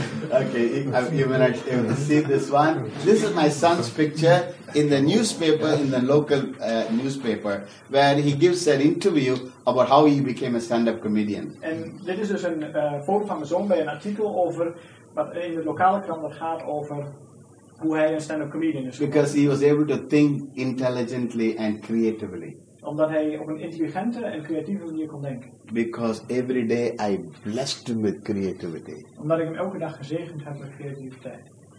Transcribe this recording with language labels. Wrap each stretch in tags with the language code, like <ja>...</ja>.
<en>Okay, if you see this one, this is my son's picture in the newspaper, in the local newspaper, where he gives an interview about how he became a stand-up comedian. And this is</en> <nl>dus een foto van mijn zoon bij een artikel over wat in de lokale krant dat gaat over. Hoe hij een stand-up comedian is.</nl> <en>Because he was able to think intelligently and creatively.</en> <nl>Omdat hij op een intelligente en creatieve manier kon denken.</nl> <en>Because every day I blessed him with creativity.</en> <nl>Omdat ik hem elke dag gezegend heb met creativiteit.</nl>